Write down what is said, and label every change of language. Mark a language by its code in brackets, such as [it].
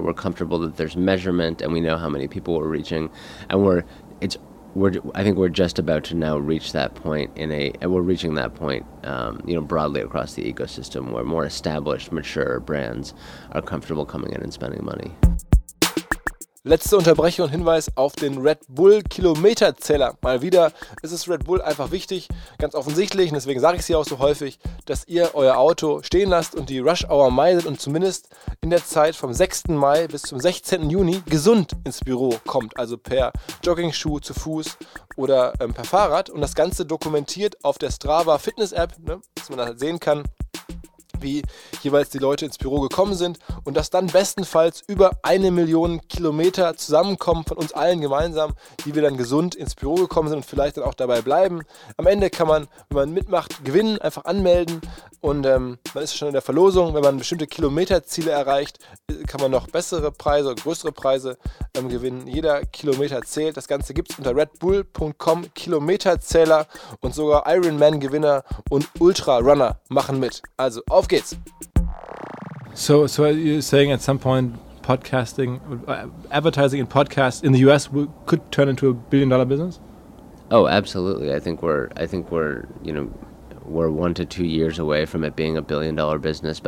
[en] We're comfortable that there's measurement, and we know how many people we're reaching, and I think we're just about to now reach that point we're reaching that point, broadly across the ecosystem where more established, mature brands are comfortable coming in and spending money. [de] Letzte Unterbrechung und Hinweis auf den Red Bull Kilometerzähler. Mal wieder ist es Red Bull einfach wichtig, ganz offensichtlich, und deswegen sage ich es hier auch so häufig, dass ihr euer Auto stehen lasst und die Rush Hour meidet und zumindest in der Zeit vom 6. Mai bis zum 16. Juni gesund ins Büro kommt, also per Jogging-Schuh, zu Fuß oder per Fahrrad, und das Ganze dokumentiert auf der Strava Fitness App, ne, dass man das halt sehen kann, wie jeweils die Leute ins Büro gekommen sind, und dass dann bestenfalls über 1 Million Kilometer zusammenkommen von uns allen gemeinsam, die wir dann gesund ins Büro gekommen sind und vielleicht dann auch dabei bleiben. Am Ende kann man, wenn man mitmacht, gewinnen, einfach anmelden, und man ist schon in der Verlosung. Wenn man bestimmte Kilometerziele erreicht, kann man noch bessere Preise, größere Preise gewinnen. Jeder Kilometer zählt. Das Ganze gibt es unter redbull.com Kilometerzähler, und sogar Ironman-Gewinner und Ultra-Runner machen mit. Also auf geht's. [en] So you're saying at some point podcasting, advertising in podcasts in the US could turn into a billion-dollar business? Oh, absolutely. I think we're 1 to 2 years away from it being a billion-dollar business.